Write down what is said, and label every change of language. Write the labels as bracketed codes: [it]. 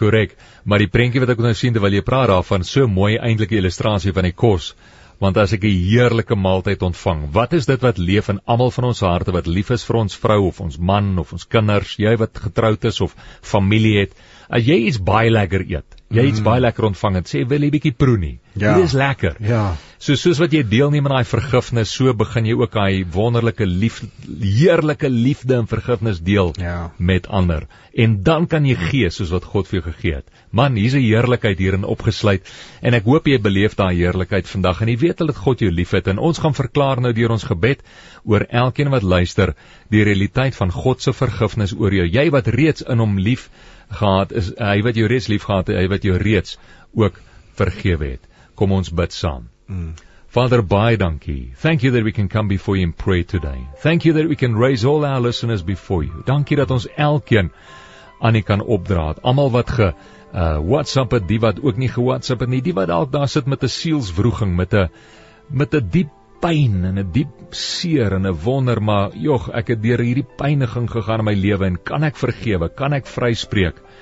[af] Correct, maar die prentjie wat ek nou sien, terwyl jy praat daarvan, so mooi eindelike illustrasie van die kos, want as ek 'n heerlike maaltyd ontvang, wat is dit wat leef in almal van ons harte, wat lief is vir ons vrou, of ons man, of ons kinders, jy wat getroud is, of familie het, as jy iets baie lekker eet, jy iets baie lekker ontvang het, sê, wil jy bietjie proe nie? Ja. Dit is lekker. Ja. Soos wat jy deelneem aan die vergifnis, so begin jy ook die wonderlijke heerlijke liefde en vergifnis deel met ander. En dan kan jy gee, soos wat God vir jou gegee het. Man, hier is die heerlijkheid hierin opgesluit, en ek hoop jy beleef die heerlijkheid vandag, en jy weet dat God jou lief het, en ons gaan verklaar nou deur ons gebed, oor elkeen wat luister, die realiteit van Godse vergifnis oor jou, jy wat reeds in hom lief gehad is, hy wat jou reeds lief gehad het, hy wat jou reeds ook vergewe het. Kom ons bid saam. Father, baie dankie. [en] Thank you that we can come before you and pray today. Thank you that we can raise all our listeners before you. [af] Dankie dat ons elkeen aan u kan opdraad. Almal wat WhatsApp het, die wat ook nie ge-WhatsApp het nie, die wat ook daar sit met 'n sielsvroeging, met 'n diep pyn en 'n diep seer en 'n wonder, maar joh, ek het deur hierdie pyniging gegaan in my lewe en kan ek vergewe, kan ek vryspreek?